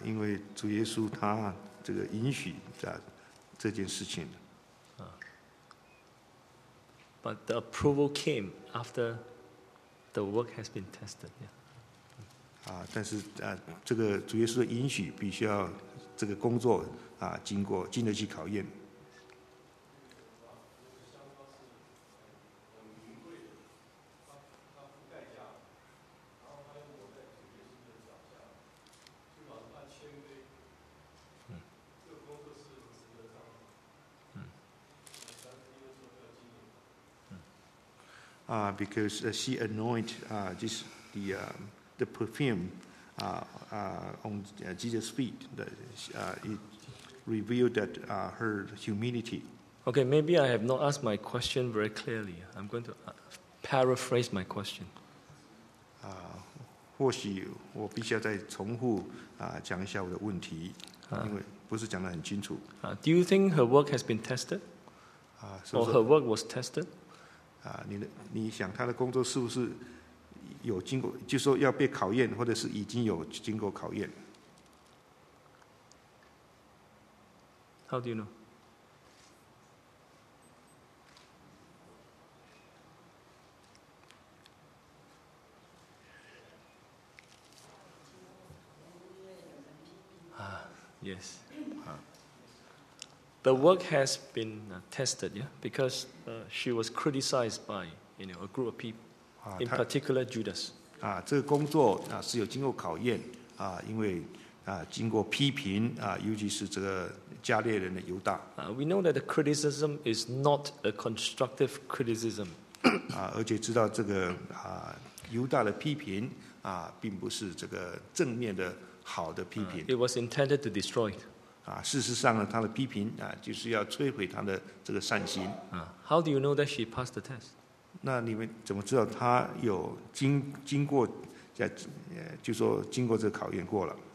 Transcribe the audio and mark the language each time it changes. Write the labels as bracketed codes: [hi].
[zh] 因为主耶稣他这个允许这件事情。 [en] But the approval came after the work has been tested. Yeah. [zh] 但是这个主耶稣的允许必须要这个工作经得起考验。 [en] because she anointed this the perfume on Jesus' feet. It revealed that her humility. Okay, maybe I have not asked my question very clearly. I'm going to paraphrase my question. [zh] 或许我必须要再重复 讲一下我的问题, 因为不是讲得很清楚。 [en] Do you think her work has been tested? Or her work was tested? [zh] 你想她的工作是不是有经过, 就是说要被考验, 或者是已经有经过考验? [en] How do you know? Yes. The work has been tested, yeah, because she was criticized by, you know, a group of people, in particular Judas. [zh] 这个工作是有经过考验，因为经过批评，尤其是这个加略人的犹大。 [en] We know that the criticism is not a constructive criticism. [zh] 而且知道这个犹大的批评并不是这个正面的好的批评。 [en] It was intended to destroy it. [zh] 事实上呢，他的批评就是要摧毁他的这个善心。 [en] How do you know that she passed the test? [zh] 那你们怎么知道他有经过，就说经过这个考验过了？